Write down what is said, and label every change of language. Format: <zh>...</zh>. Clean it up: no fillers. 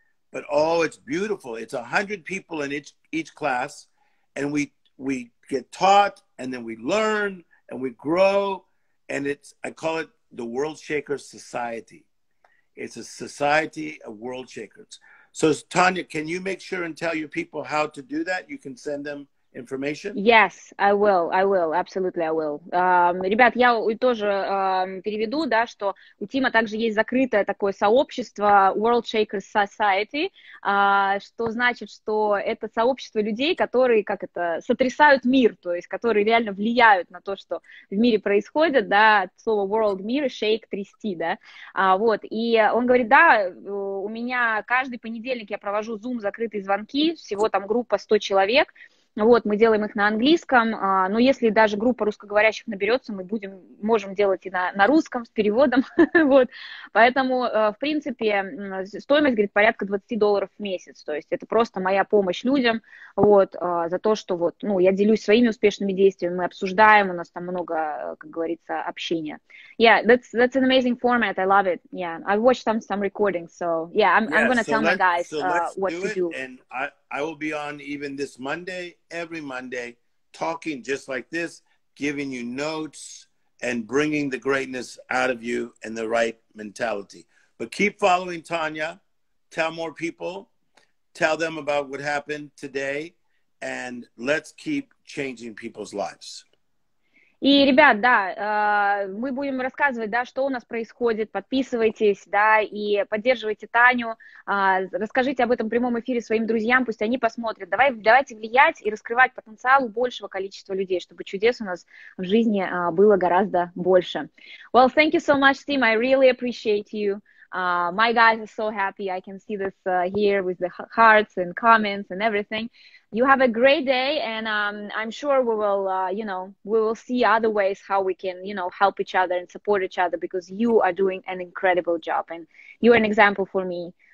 <en>But oh, it's beautiful. It's 100 people in each class, and we get taught, and then we learn, and we grow, and it's, I call it the World Shaker Society. It's a society of world shakers. So Tanya, can you make sure and tell your people how to do that? You can send them information? Yes, I will, absolutely I will.</en> <ru>Ребят, я тоже переведу, да, что у Тима также есть закрытое такое сообщество World Shakers Society, что значит, что это сообщество людей, которые, как это, сотрясают мир, то есть которые реально влияют на то, что в мире происходит, да, слово world, мир, shake, трясти, да, вот, и он говорит, да, у меня каждый понедельник я провожу Zoom закрытые звонки, всего там группа 100 человек, вот, мы делаем их на английском, но если даже группа русскоговорящих наберется, мы можем делать и на русском с переводом, вот, поэтому, в принципе, стоимость, говорит, порядка $20 в месяц, то есть это просто моя помощь людям, вот, за то, что вот, ну, я делюсь своими успешными действиями, мы обсуждаем, у нас там много, как говорится, общения.</ru> <en>Yeah, that's an amazing format, I love it, yeah, I watched some recordings, so, yeah, I'm gonna tell my guys what to do. I will be on even this Monday, every Monday, talking just like this, giving you notes, and bringing the greatness out of you and the right mentality. But keep following Tanya. Tell more people. Tell them about what happened today. And let's keep changing people's lives.</en> <ru>И, ребят, да, мы будем рассказывать, да, что у нас происходит, подписывайтесь, да, и поддерживайте Таню, расскажите об этом прямом эфире своим друзьям, пусть они посмотрят. Давайте влиять и раскрывать потенциал у большего количества людей, чтобы чудес у нас в жизни было гораздо больше.</ru> <en>Well, thank you so much, Tim, I really appreciate you. My guys are so happy, I can see this here with the hearts and comments and everything. You have a great day, and I'm sure we will, we will see other ways how we can, help each other and support each other, because you are doing an incredible job, and you're an example for me.</en>